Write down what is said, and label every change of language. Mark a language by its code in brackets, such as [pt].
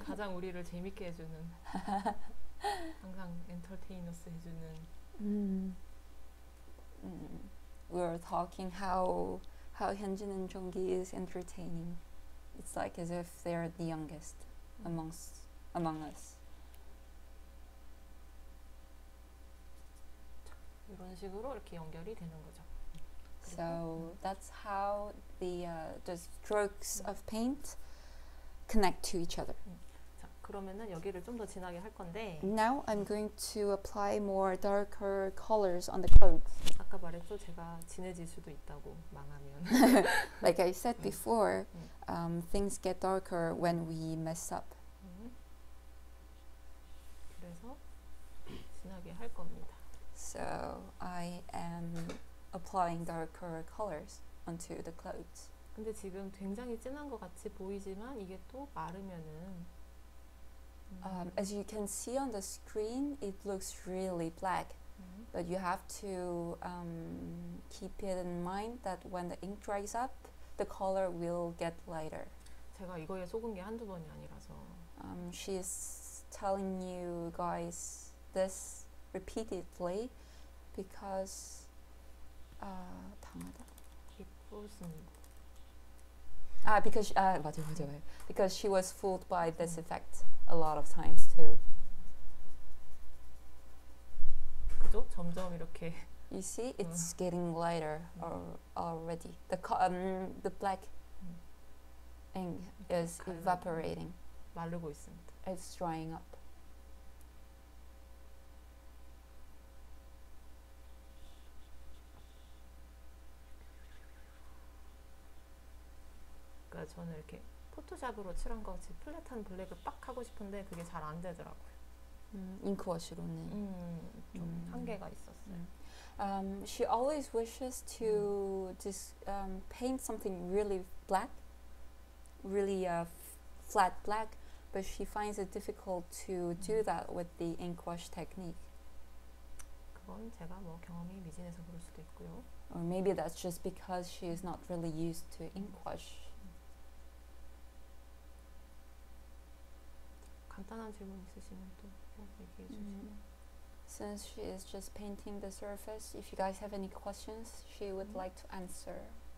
[ko] 가장 우리를 재밌게 해주는. 항상 엔터테이너스 해주는. [en] We were talking how Hyunjin and Jonggi is entertaining. It's like as if they are the youngest among us. [ko] 이런 식으로 이렇게 연결이 되는 거죠. [en] So that's how the strokes of paint connect to each other. [ko] 자, 그러면은 여기를 좀 더 진하게 할 건데. [en] Now I'm going to apply more darker colors on the coats. [ko] 아까 말했죠, 제가 진해질 수도 있다고 망하면. [en] Like I said before, things get darker when we mess up. [ko] 그래서 진하게 할 겁니다. [en] So I am applying darker colors onto the clothes. [ko] 근데 지금 굉장히 진한 것 같이 보이지만 이게 또 마르면은 [en] As you can see on the screen, it looks really black. But you have to keep it in mind that when the ink dries up, the color will get lighter. [ko] 제가 이거에 속은 게 한두 번이 아니라서 [en] She's telling you guys this repeatedly because [ko] 당하다 기쁘습니다 아 [en] because [ko] 아 맞아요 맞아요 맞아. [en] because she was fooled by this effect a lot of times too [ko] 그죠? 점점 이렇게 [en] you see it's getting lighter already the black ink is evaporating [ko] 마르고 있습니다 [en] it's drying up [ko] 저는 이렇게 포토샵으로 칠한 것 같이 플랫한 블랙을 빡 하고 싶은데 그게 잘 안 되더라고요. 잉크워시로는 좀 한계가 있었어요. [en] She always wishes to just paint something really black, really flat black, but she finds it difficult to do that with the inkwash technique. [ko] 그건 제가 뭐 경험이 미진해서 그럴 수도 있고요. [en] Or maybe that's just because she is not really used to inkwash. [ko] 간단한 질문 있으시면 또 얘기해 주시면 [en] Since she is just painting the surface, if you guys have any questions, she would like to answer.